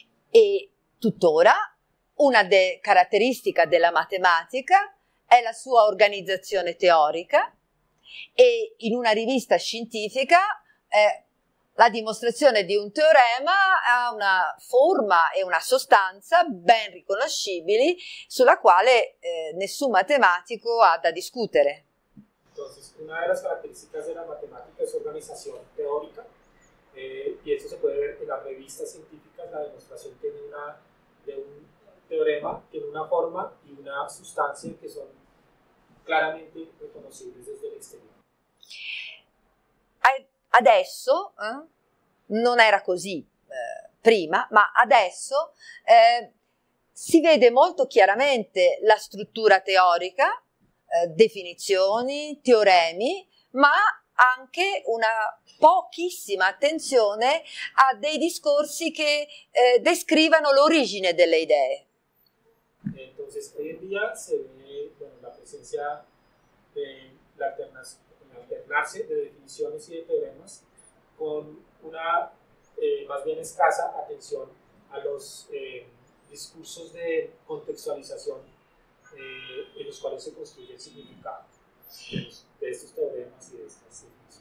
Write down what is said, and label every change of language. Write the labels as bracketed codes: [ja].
[it] E tuttora una caratteristica della matematica è la sua organizzazione teorica, e in una rivista scientifica la dimostrazione di un teorema ha una forma e una sostanza ben riconoscibili sulla quale nessun matematico ha da discutere. [es] Entonces, una de las características de la matemática es organización teórica, y eso se puede ver en las revistas científicas. La demostración tiene un teorema, tiene una forma y una sustancia que son claramente [it] riconoscibili [es] desde el exterior. [it] Adesso, non era così prima, ma adesso si vede molto chiaramente la struttura teorica, definizioni, teoremi, ma anche una pochissima attenzione a dei discorsi che descrivano l'origine delle idee. [es] Entonces, hoy en día se ve la [it] presenza [es] del alternarse de definiciones y de teoremas con una más bien escasa atención a los discursos de contextualización en los cuales se construye el significado de estos teoremas y de estas definiciones.